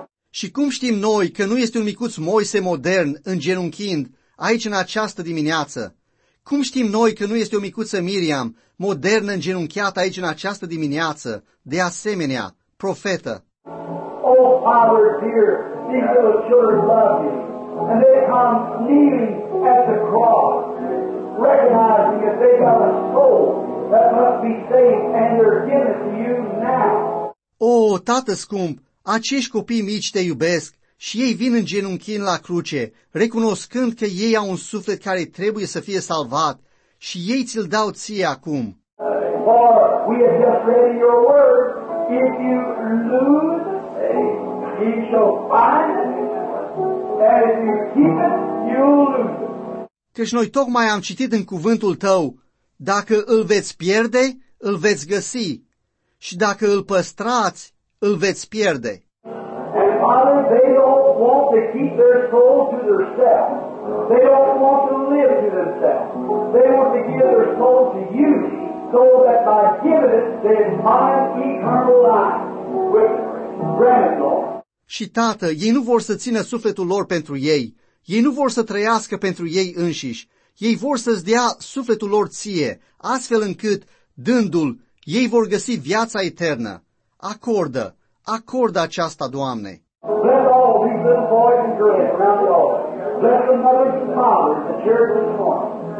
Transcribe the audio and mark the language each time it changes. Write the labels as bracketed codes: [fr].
[ro] Și cum știm noi că nu este un micuț Moise modern îngenunchind aici în această dimineață? Cum știm noi că nu este o micuță Miriam modernă îngenunchiată aici în această dimineață, de asemenea, profetă? [en] Oh, Father dear, these little children love you, and they come kneeling at the cross, recognizing that they have a soul that must be saved, and they're given to you now. [ro] Oh, Tată scump! Acești copii mici te iubesc și ei vin în genunchii la cruce, recunoscând că ei au un suflet care trebuie să fie salvat și ei ți-l dau ție acum. [en] For we have just read in your word, if you lose, you shall find it, and if you keep it, you'll lose it. [ro] Căci noi tocmai am citit în cuvântul tău, dacă îl veți pierde, îl veți găsi, și dacă îl păstrați, îl veți pierde. [en] And Father, they don't want to keep their soul to themselves. They don't want to live to themselves. They want to give their soul to you, so that by giving it, they find eternal life with granted Lord. [ro] Și Tată, ei nu vor să țină sufletul lor pentru ei. Ei nu vor să trăiască pentru ei înșiși. Ei vor să-ți dea sufletul lor ție, astfel încât, dându-l, ei vor găsi viața eternă. Acordă, acordă aceasta, Doamne. [en] Bless all these little boys and girls around the altar. Bless the mothers and fathers that share this morning.